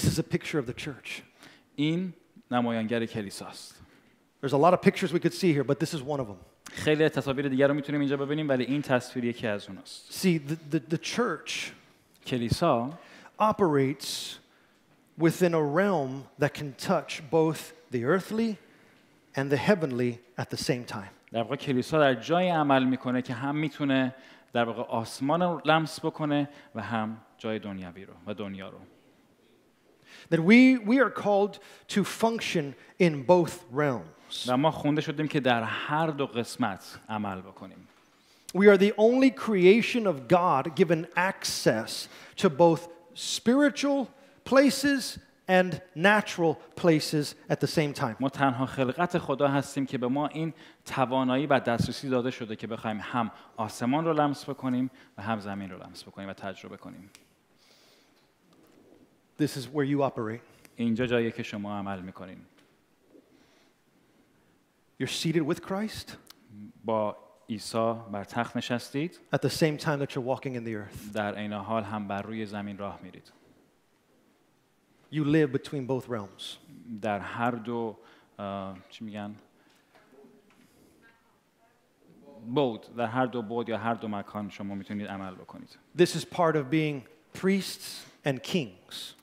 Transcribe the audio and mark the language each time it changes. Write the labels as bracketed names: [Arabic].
[English] This is a picture of the church. [Persian] این نمایانگر کلیساست. [English] There's a lot of pictures we could see here, but this is one of them. [Persian] خیلی تصاویر دیگر رو میتونیم اینجا ببینیم ولی این تصویر یکی از اوناست. [English] See the church. [Persian] کلیسا [English] operates within a realm that can touch both the earthly and the heavenly at the same time. [Persian] در واقع کلیسا در جای عمل میکنه که هم میتونه در واقع آسمان رو لمس بکنه و هم جای دنیوی رو و دنیا رو. [English] That we are called to function in both realms. [Persian] و ما خونده شدیم که در هر دو قسمت عمل بکنیم. [English] We are the only creation of God given access to both spiritual places and natural places at the same time. [Persian] ما تنها خلقت خدا هستیم که به ما این توانایی و دسترسی داده شده که بخوایم هم آسمان رو لمس بکنیم و هم زمین رو لمس بکنیم و تجربه کنیم. [English] This is where you operate. [Persian] اینجا جایی که شما عمل می‌کنید. [English] You're seated with Christ. [Persian] با عیسی بر تخت نشستید. [English] At the same time that you're walking in the earth. [Persian] در عین حال هم بر روی زمین راه می‌رید. [English] You live between both realms. [Persian] در هر دو چی میگن؟ بود. در هر دو بود یا هر دو مکان شما می‌تونید عمل بکنید. [English] This is part of being priests and kings.